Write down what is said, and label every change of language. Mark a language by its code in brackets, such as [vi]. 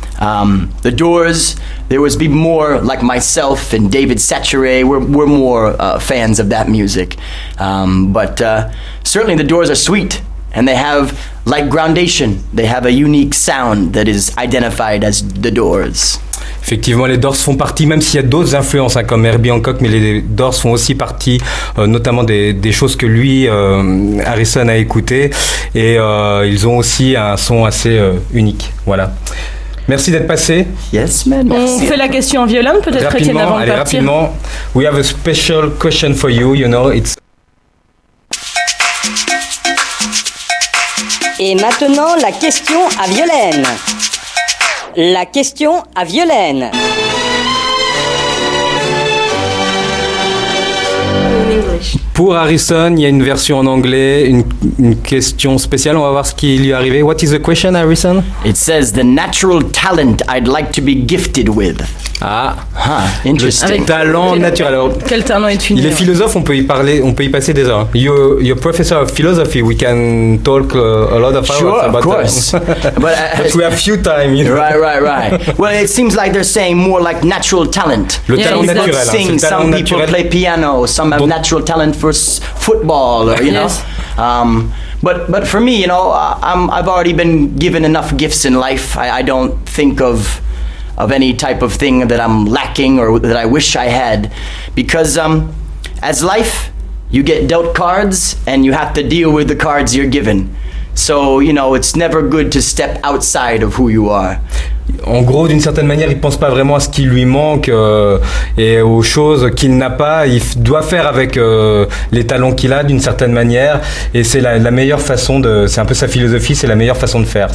[en] The Doors, there was be more like myself and David Satchere, we're more fans of that music. But certainly The Doors are sweet, and they have, like Groundation, they have a unique sound that is identified as The Doors. [fr] Effectivement, les Doors font partie, même s'il y a d'autres influences hein, comme Herbie Hancock, mais les Doors font aussi partie notamment des choses que lui, Harrison, a écoutées. Et ils ont aussi un son assez unique. Voilà. Merci d'être passé. [en] Yes, man. [fr] On fait la question en violon, peut-être, Étienne, avant de partir. Allez, rapidement. [en] We have a special question for you, you know. It's... [fr] Et maintenant, la question à Violaine. La question à Violaine. Pour Harrison, il y a une version en anglais, une question spéciale. On va voir ce qui lui est arrivé. [en] What is the question, Harrison? It says, the natural talent I'd like to be gifted with. Ah, interesting. [fr] Le talent naturel. Alors, quel talent est-il? Il est philosophe, on peut y parler, on peut y passer des heures. [en] You're professor of philosophy, we can talk a lot of hours sure, about that. Sure, of course. But we have few time, you know. Right. Well, it seems like they're saying more like natural talent. [fr] Le talent naturel. [en] People sing, some people play piano, some have natural talent for football, or, you know. Yes. But for me, you know, I've already been given enough gifts in life. I don't think of any type of thing that I'm lacking or that I wish I had. Because as life, you get dealt cards and you have to deal with the cards you're given. So, you know, it's never good to step outside of who you are. [fr] En gros, d'une certaine manière, il ne pense pas vraiment à ce qui lui manque et aux choses qu'il n'a pas. Il doit faire avec les talents qu'il a, d'une certaine manière. Et c'est la meilleure façon de... C'est un peu sa philosophie, c'est la meilleure façon de faire.